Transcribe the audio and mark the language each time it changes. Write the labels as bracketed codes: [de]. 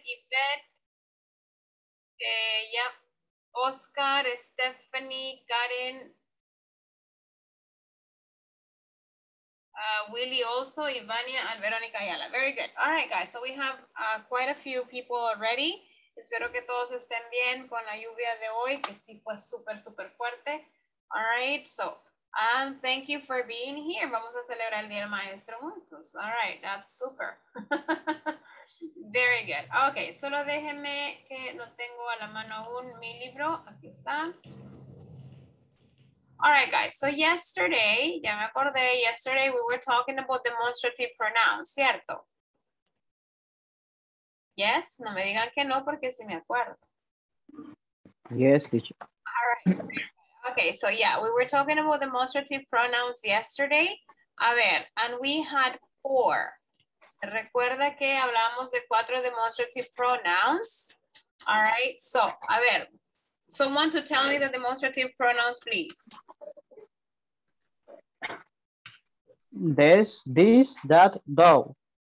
[en] Yvette. Yep. Oscar, Stephanie, Karen. Willie also, Ivania, and Veronica Ayala. Very good. All right, guys. So we have quite a few people already. [es] Espero que todos estén bien con la lluvia de hoy, que sí fue súper, súper fuerte. [en] All right, so thank you for being here. [es] Vamos a celebrar el Día del Maestro juntos. [en] All right, that's super. Very good. [es] Okay, solo déjenme que no tengo a la mano aún mi libro. Aquí está. [en] All right, guys, so yesterday, [es] ya me acordé, [en] yesterday we were talking about demonstrative pronouns, ¿cierto? [es] Yes, no me digan que no porque sí me acuerdo. [en] Yes, teacher. All right. Okay, so yeah, we were talking about demonstrative pronouns yesterday. [es] A ver, [en] and we had four. [es] ¿Se recuerda que hablamos de cuatro demonstrative pronouns? [en] All right, so, [es] a ver, [en] someone to tell me the demonstrative pronouns, please. This, that, though.